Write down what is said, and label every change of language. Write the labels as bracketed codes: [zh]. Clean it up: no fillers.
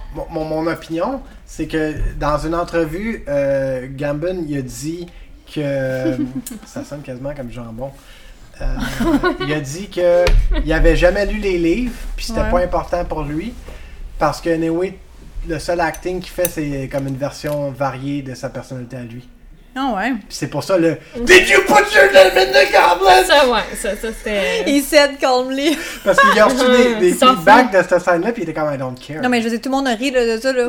[fr] Mon opinion, c'est que dans une entrevue, Gambon, il a dit que... Ça sonne quasiment comme jambon. il a dit que il avait jamais lu les livres, puis c'était pas important pour lui. Parce que, anyway, le seul acting qu'il fait, c'est comme une version variée de sa personnalité à lui. Ah ouais? Puis c'est pour ça le... [en] Did you put your name in the goblet? [fr] Ça, ouais. Ça c'était... [en] He said calmly. [fr] Parce qu'il a reçu des feedbacks de cette scène-là, puis il était comme, [en] I don't care. [fr] Non, mais je sais, tout le monde a ri de ça, là.